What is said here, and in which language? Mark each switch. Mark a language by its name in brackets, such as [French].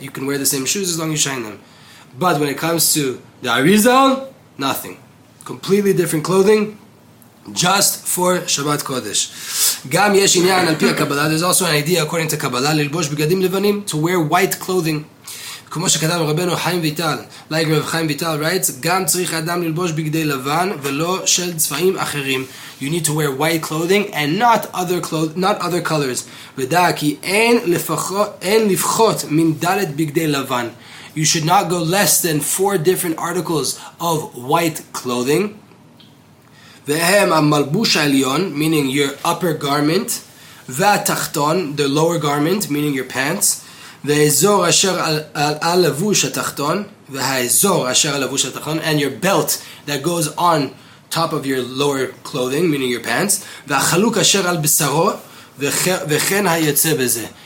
[English] You can wear the same shoes as long as you shine them. But when it comes to the Arizal, nothing. Completely different clothing, just for Shabbat Kodesh. [Hebrew] Gam yesh inyan al pi Kabbalah. [English] There's also an idea according to Kabbalah, [Hebrew] lilbosh begadim levanim, [English] to wear white clothing. [Hebrew] כמו שכתב רבנו חיים ויטל, [English] like Rav Chaim Vital writes, [Hebrew] גם צריך אדם ללבוש בגדי לבן ולא של צבעים אחרים. [English] You need to wear white clothing and not other colors. [Hebrew] ודע כי אין לפחות מן דלת בגדי לבן. [English] You should not go less than 4 different articles of white clothing. [Hebrew] והם המלבוש העליון, [English] meaning your upper garment, [Hebrew] והתחתון, [English] the lower garment, meaning your pants, [Hebrew] והאזור אשר על הלבוש התחתון, [English] והאזור אשר על הלבוש התחתון, and your belt that goes on top of your lower clothing, meaning your pants, [Hebrew] והחלוק אשר על בשרו, וכן היוצא בזה.